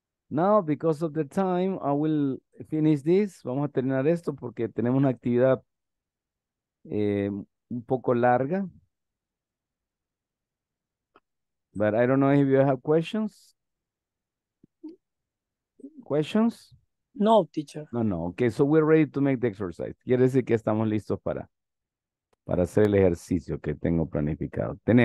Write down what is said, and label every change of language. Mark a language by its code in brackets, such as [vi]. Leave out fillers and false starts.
[en] Now, because of the time, I will finish this. [es] Vamos a terminar esto porque tenemos una actividad un poco larga. [en] But I don't know if you have questions. Questions? No, teacher. No. Okay, so we're ready to make the exercise. [es] Quiere decir que estamos listos para hacer el ejercicio que tengo planificado.